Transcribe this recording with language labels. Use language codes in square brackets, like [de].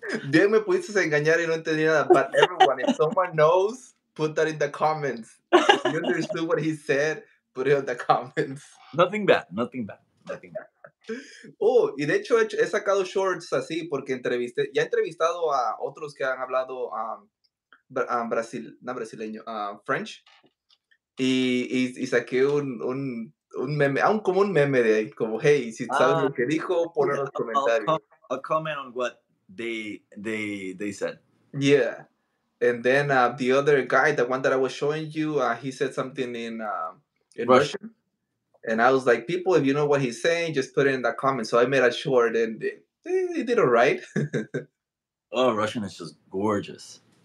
[es] Bien me pudiste engañar y no entendí nada. [en] But everyone, if someone knows, put that in the comments. If you understood what he said, put it in the comments. Nothing bad. [es] Oh, y de hecho he sacado shorts así porque ya he entrevistado a otros que han hablado French. Y saqué un meme, como un meme de ahí, como, hey, si sabes lo que dijo, pon en los comentarios. [en] I'll comment on what they said. Yeah. And then the other guy, the one that I was showing you, he said something in Russian. And I was like, people, if you know what he's saying, just put it in the comments. So I made a short and they did all right. Oh, Russian is just gorgeous.